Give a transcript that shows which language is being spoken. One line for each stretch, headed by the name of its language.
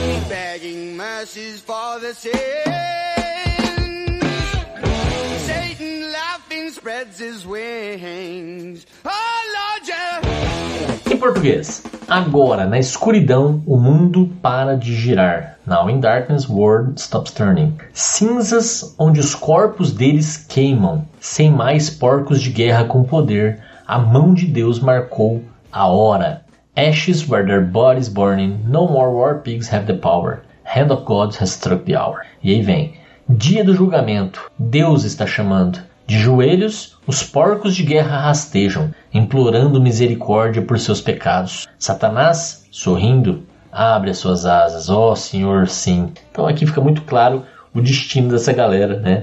English: begging mercies for the sins, Satan laughing spreads his wings, oh Lord, yeah.
Portuguese: Em português, agora na escuridão o mundo para de girar.
English: Now in darkness world stops turning.
Portuguese: Cinzas onde os corpos deles queimam. Sem mais porcos de guerra com poder, a mão de Deus marcou a hora.
English: Ashes where their bodies burning, no more war pigs have the power. Hand of God has struck the hour.
Portuguese: E aí vem, dia do julgamento, Deus está chamando. De joelhos, os porcos de guerra rastejam, implorando misericórdia por seus pecados. Satanás, sorrindo, abre as suas asas. Ó, Senhor, sim. Então aqui fica muito claro o destino dessa galera, né?